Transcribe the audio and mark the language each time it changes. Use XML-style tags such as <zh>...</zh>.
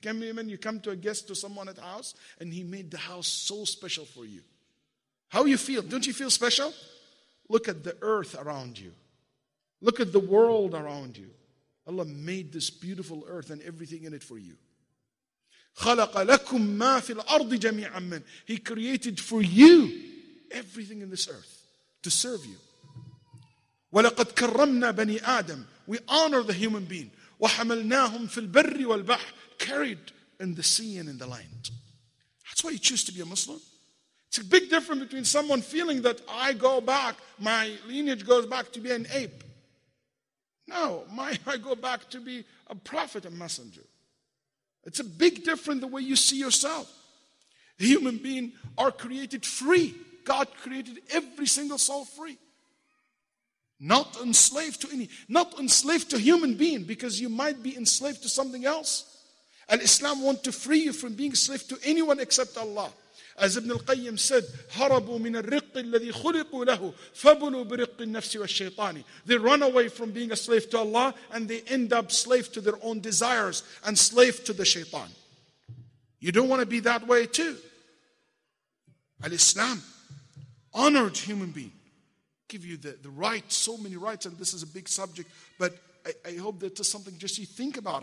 <en>Can you imagine, you come to a guest to someone at the house, and he made the house so special for you. How you feel? Don't you feel special? Look at the earth around you. Look at the world around you. Allah made this beautiful earth and everything in it for you.</en> <ar>خلق لكم ما في الأرض جميعا من.</ar> <en>He created for you everything in this earth to serve you.</en> <ar>ولقد كرمنا بني آدم.</ar> <en>We honor the human being.</en> <ar>وحملناهم في البر والبحر.</ar> <en>Carried in the sea and in the land. That's why you choose to be a Muslim. It's a big difference between someone feeling that I go back, my lineage goes back to be an ape. No, I go back to be a prophet and messenger. It's a big difference the way you see yourself. Human beings are created free. God created every single soul free. Not enslaved to any. Not enslaved to human being, because you might be enslaved to something else. And Islam wants to free you from being slave to anyone except Allah. As Ibn al-Qayyim said,</en> <ar>هَرَبُوا مِنَ الرِّقِّ الَّذِي خُلِقُوا لَهُ فَبُلُوا بِرِقِّ النَّفْسِ وَالشَّيْطَانِ.</ar> <en>They run away from being a slave to Allah and they end up slave to their own desires and slave to the shaitan. You don't want to be that way too. Al-Islam, honored human being. Give you the rights, so many rights, and this is a big subject, but I hope that is something just you think about.</en>